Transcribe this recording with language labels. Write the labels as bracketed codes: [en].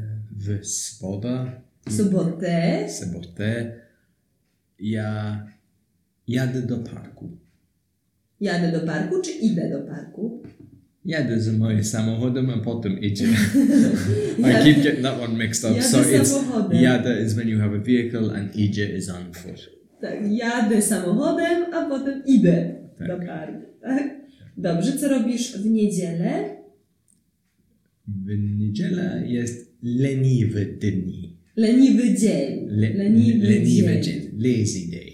[pl] W sobotę. Sobotę. Sobotę. Ja jadę do parku. Jadę do parku czy idę do parku? Jadę z moim samochodem, a potem idzie. [en] I keep getting that one mixed up. [pl] Jadę [en] so [pl] samochodem. [en] It's, jadę is when you have a vehicle and idzie is on foot. [pl] Tak, jadę samochodem, a potem idę tak. Do parku. Tak? Dobrze, co robisz w niedzielę? W niedzielę jest leniwy dzień. Leniwy dzień. Leniwy dzień. [en] Lazy day.